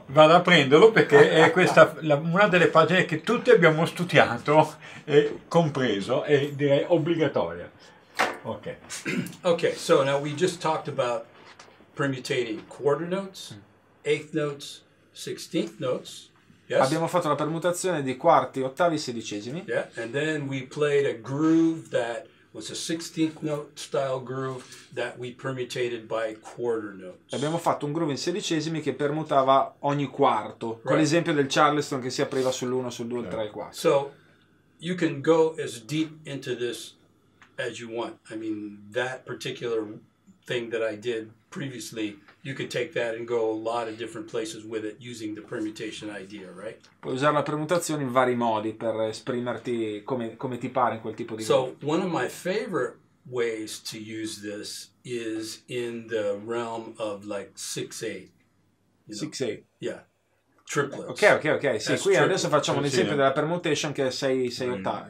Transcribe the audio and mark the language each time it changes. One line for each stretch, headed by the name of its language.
Italian: Vado a prenderlo perché è questa una delle pagine che tutti abbiamo studiato e compreso e direi obbligatoria. Ok.
English: Ok, so now we just talked about permutating quarter notes, eighth notes, 16th notes. Yes.
Italian: Abbiamo fatto la permutazione di quarti, ottavi, sedicesimi.
English: Yeah, and then we played a groove that was a 16th note style groove that we permutated by quarter notes.
Italian: Abbiamo fatto un groove in sedicesimi che permutava ogni quarto, right, con l'esempio del Charleston che si apriva sull'1, sull'2, right, 3 e 4.
English: So you can go as deep into this as you want. I mean, that particular thing that I did previously, you could take that and go a lot of different places with it using the permutation idea, right?
Italian: Puoi usare la permutazione in vari modi per esprimerti come ti pare in quel tipo di.
English: So one of my favorite ways to use this is in the realm of like 6/8. 6/8. Yeah. Triplets.
Italian: Ok, ok, ok. Sì, qui triplets. Adesso facciamo un esempio della permutation che è 6/6 ottava.